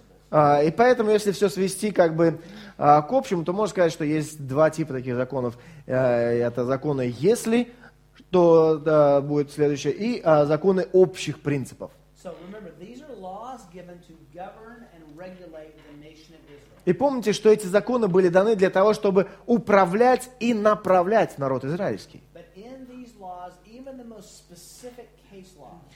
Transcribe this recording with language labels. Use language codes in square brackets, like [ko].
[ru] И поэтому, если все свести как бы к общему, то можно сказать, что есть два типа таких законов. Это законы «если», что будет следующее, и законы общих принципов. [en] So remember, these are laws given to govern and regulate the nation of Israel. [ru] И помните, что эти законы были даны для того, чтобы управлять и направлять народ израильский. [en] But in these laws, even the most specific case law,